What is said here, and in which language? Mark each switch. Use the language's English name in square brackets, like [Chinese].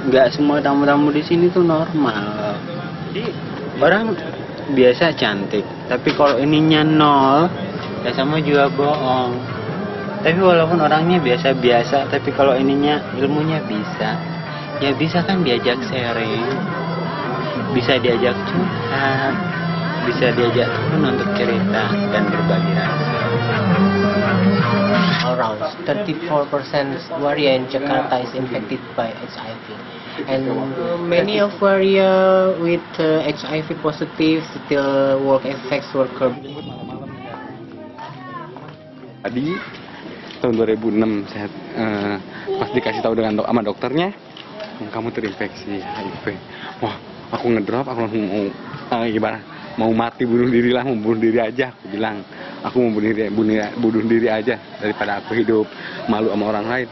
[Indonesian] Enggak semua tamu-tamu di sini tuh normal. Orang biasa cantik, tapi kalau ininya nol, ya sama juga bohong. Tapi walaupun orangnya biasa-biasa, tapi kalau ininya ilmunya bisa, ya bisa kan diajak sharing, bisa diajak curhat, bisa diajak teman untuk cerita dan berbagi rasa. [English] Around 34% waria in Jakarta is infected by HIV, and many of waria with HIV positive still work effects worker. [Indonesian] Adi, tahun 2006 saya pas dikasih tahu dengan sama dokternya, kamu terinfeksi HIV. Wah, aku ngedrop, aku langsung mau gimana? Mau mati bunuh diri lah, mau bunuh diri aja. Aku bilang, aku mau bunuh diri aja daripada aku hidup malu sama orang lain.